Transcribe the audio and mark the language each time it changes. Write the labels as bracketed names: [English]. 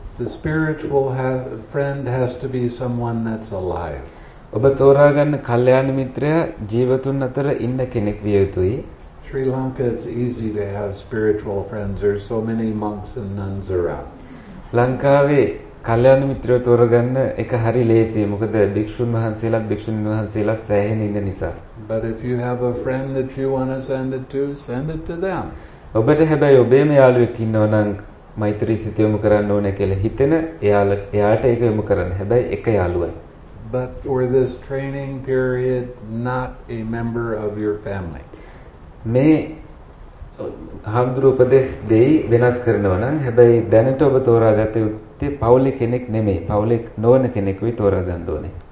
[English] The spiritual friend has to be someone that's alive. [Sinhala] ඔබ තෝරාගන්න කල්යාණ මිත්‍රයා ජීවතුන් අතර ඉන්න කෙනෙක් විය යුතුයි. [English] Sri Lanka is easy to have spiritual friends. There are so many monks and nuns around. [Sinhala] ලංකාවේ කල්‍යාණ මිත්‍රයෝ තෝරගන්න එක හරි ලේසියි. මොකද භික්ෂුන් වහන්සේලාත් භික්ෂුණීන් වහන්සේලාත් සෑහෙන ඉන්න නිසා. [English] But if you have a friend that you want to send it to, send it to them. [Sinhala] ඔබට හැබැයි ඔබේම යාළුවෙක් ඉන්නවා නම් මෛත්‍රී සිත යොමු කරන්න ඕනේ කියලා හිතෙන එයාට ඒක යොමු කරන්න. හැබැයි එක යාළුවයි. [English] But for this training period, not a member of your family. [Sinhala] මේ හම්දුරු උපදේශ දෙයි වෙනස් කරනවා නම් හැබැයි දැනට ඔබ තෝරාගත යුත්තේ පෞලි කෙනෙක් නෙමෙයි පෞලි නොවන කෙනෙක් වෙයි තෝරා ගන්න ඕනේ.